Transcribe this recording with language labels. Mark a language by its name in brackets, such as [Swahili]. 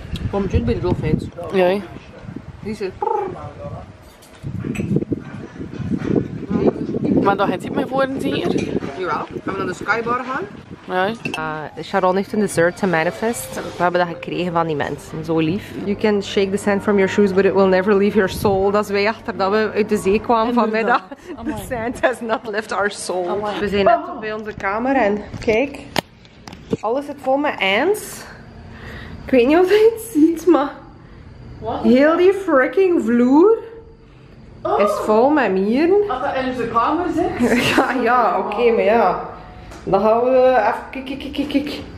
[Dutch] Kom je bij de dolfijn. Ja. Die is er. Maar dat gaat niet meer voor een zee hier. Jawel. Gaan we naar de skybar gaan? Ja. Sharon heeft een dessert te manifest. We hebben dat gekregen van die mensen. Zo lief. [English] You can shake the sand from your shoes, but it will never leave your soul. [Dutch] Dat is wij achter dat we uit de zee kwamen vanmiddag. [English] The sand has not left our soul. [Dutch] We zijn net op bij onze kamer en kijk. Alles zit vol met ants. Ik weet niet of je het ziet, maar... [English] What? [Dutch] Heel die freaking vloer is vol met mieren. Als dat in onze kamer zit? ja, oké, maar ja. Dan gaan we even kijk.